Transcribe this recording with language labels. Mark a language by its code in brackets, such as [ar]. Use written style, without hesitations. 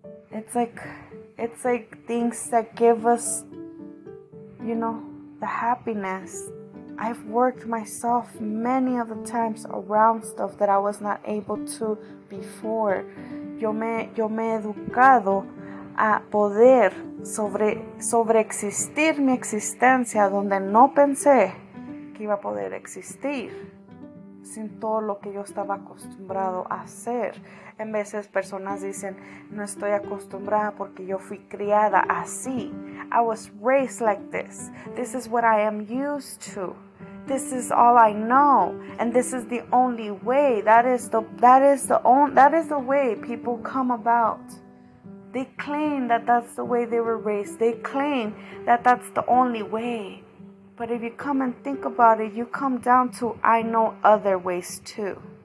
[en] It's like things that give us, you know, the happiness. I've worked myself many of the times around stuff that I was not able to before. [es] Yo me he educado a poder sobre existir mi existencia donde no pensé que iba a poder existir sin todo lo que yo estaba acostumbrado a hacer. En veces personas dicen, no estoy acostumbrada porque yo fui criada así. [en] I was raised like this. This is what I am used to. This is all I know, and this is the only way. That is the way people come about. They claim that that's the way they were raised. They claim that that's the only way. But if you come and think about it, you come down to, I know other ways too.